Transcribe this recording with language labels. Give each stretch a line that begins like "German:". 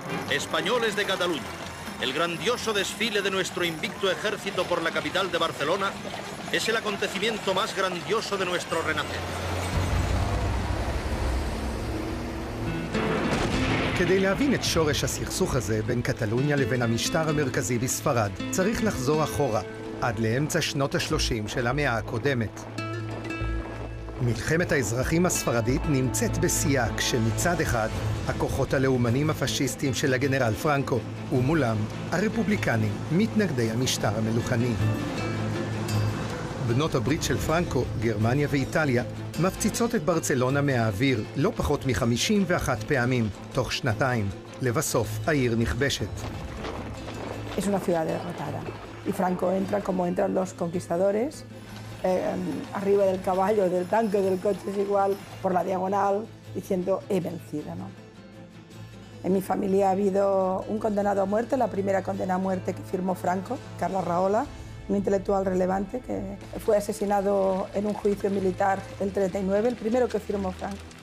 Spanish: Españoles de Cataluña, el grandioso desfile de nuestro invicto ejército por la capital de Barcelona es el acontecimiento más grandioso de nuestro renacer.
Hebrew: כדי להבין את שורש הסכסוך הזה בין קטלוניה לבין המשטר המרכזי בספרד, צריך לחזור אחורה, עד לאמצע שנות ה-30 של המאה הקודמת. מלחמת האזרחים הספרדית נמצאת בשיאה, כשמצד אחד, הכוחות הלאומנים הפשיסטיים של הגנרל פרנקו, ומולם, הרפובליקנים, מתנגדי המשטר המלוכני. בנות הברית של פרנקו, גרמניה ואיטליה, מפציצות את ברצלונה מהאוויר לא פחות מ-51 פעמים, תוך שנתיים. לבסוף, העיר נכבשת.
Spanish: Es una ciudad derrotada. Y Franco entra como entran los conquistadores, arriba del caballo, del tanque, del coche, es igual, por la diagonal, diciendo, he vencido, ¿no? En mi familia ha habido un condenado a muerte, la primera condena a muerte que firmó Franco, Carla Rahola, un intelectual relevante que fue asesinado en un juicio militar el 39, el primero que firmó Franco.